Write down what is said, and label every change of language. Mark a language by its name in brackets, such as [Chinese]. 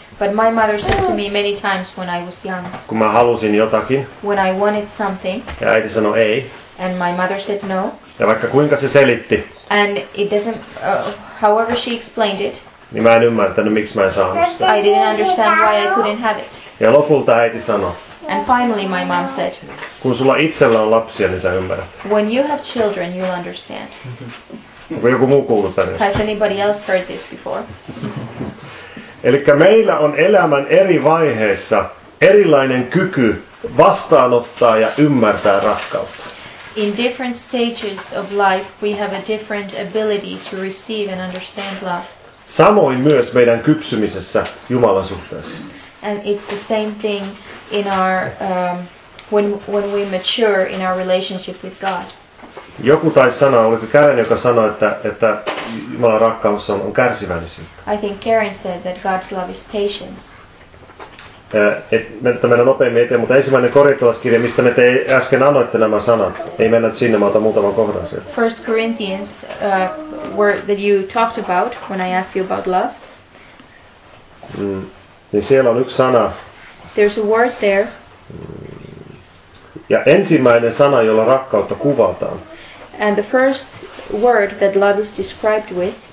[English] But my mother said to me many times when I was young. [Finnish] Kun mä halusin jotakin. [English] When I wanted something. [Finnish] Ja äiti sanoi ei. [English] And my mother said no. [Finnish] Ja vaikka kuinka se selitti. [English] And it doesn't however she explained it. [Finnish] Niin mä en ymmärtänyt, miksi mä en saanut sitä. [English] I didn't understand why I couldn't have it. [Finnish] Ja lopulta äiti sanoi. [English] And finally my mom said. [Finnish] Kun sulla itsellä on lapsia, niin sä ymmärrät. [English] When you have children, you'll understand. [Finnish] Onko joku muu kuullut tänne? [English] Has anybody else heard this before? [Finnish] Elikkä meillä on elämän eri vaiheessa erilainen kyky vastaanottaa ja ymmärtää rakkautta. [English] In different stages of life, we have a different ability to receive and understand love. [Finnish] Samoin myös meidän kypsymisessä Jumalan suhteessa. [English] And it's the same thing in our when we mature in our relationship with God. [Finnish] Joku taisi sanoa, oliko Karen, joka sanoi, että Jumalan rakkaus on kärsivällisyyttä. [English] I think Karen said that God's love is patience. [Finnish] Että mennään nopeammin eteen, mutta ensimmäinen korintolaiskirja, mistä me te äsken annoitte nämä sanat. Ei mennä sinne, mä otan muutaman kohdan sieltä. [English] 1 Corinthians, were that you talked about when I asked you about love. [Finnish] Niin siellä on yksi sana. [English] There's a word there. [Finnish] Ja ensimmäinen sana, jolla rakkautta kuvataan. [English] And the first word that love is described with.